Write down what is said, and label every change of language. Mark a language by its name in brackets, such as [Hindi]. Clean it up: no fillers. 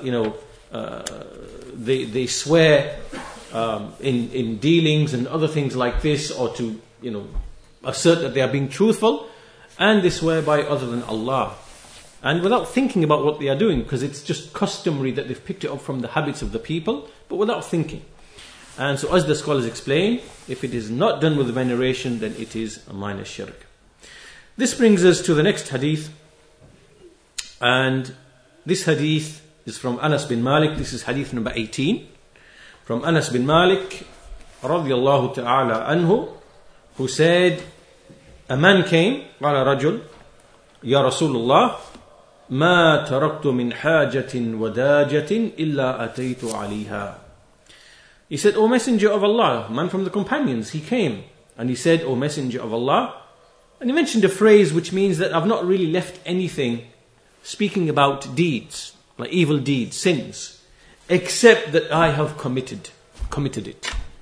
[English] They swear in dealings and other things like this, or to, you know, assert that they are being truthful, and they swear by other than Allah, and without thinking about what they are doing, because it's just customary that they've picked it up from the habits of the people, but without thinking. And so, as the scholars explain, if it is not done with veneration, then it is a minor shirk. This brings us to the next hadith, and this hadith is from Anas bin Malik. This is hadith number 18. From Anas bin Malik, radiallahu ta'ala anhu, who said, a man came, [Arabic] قال رجل, يا رسول الله, ما تركت من حاجة وداجة إلا أتيت عليها. [English] He said, O Messenger of Allah, man from the companions, he came. And he said, O Messenger of Allah, and he mentioned a phrase which means that I've not really left anything, speaking about deeds, like evil deeds, sins, except that I have committed it.